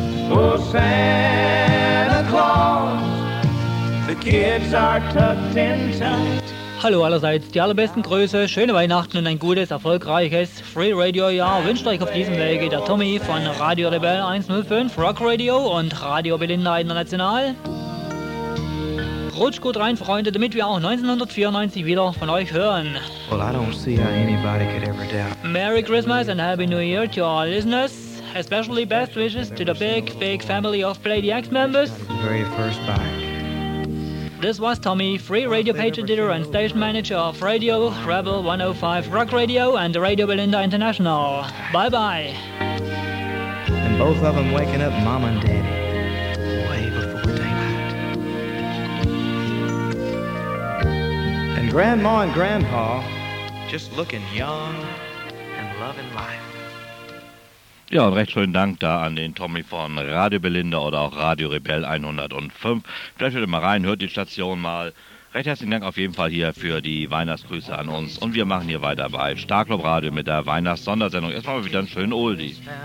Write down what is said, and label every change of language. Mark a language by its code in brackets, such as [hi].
[en] Oh, Santa Claus, the kids are tucked in tight. [de] Hallo allerseits, die allerbesten Grüße, schöne Weihnachten und ein gutes, erfolgreiches Free Radio Jahr wünscht euch auf diesem Wege der Tommy von Radio Rebel 105, Rock Radio und Radio Belinda International. Rutscht gut rein, Freunde, damit wir auch 1994 wieder von euch hören. [en] Well, I don't see how anybody could ever doubt. Merry Christmas and Happy New Year to our listeners, especially best wishes to the big, big family of Play the X members. Very first bite. This was Tommy, Free Radio page editor and station manager of Radio Rebel 105 Rock Radio and Radio Belinda International. Bye bye. And both of them waking up mom and daddy way before daylight. And grandma and grandpa just looking young and love and life. [de] Ja, und recht schönen Dank da an den Tommy von Radio Belinda oder auch Radio Rebell 105. Vielleicht hört ihr mal rein, hört die Station mal. Recht herzlichen Dank auf jeden Fall hier für die Weihnachtsgrüße an uns. Und wir machen hier weiter bei Starclub Radio mit der Weihnachts-Sondersendung. Jetzt machen wir wieder einen schönen Oldie.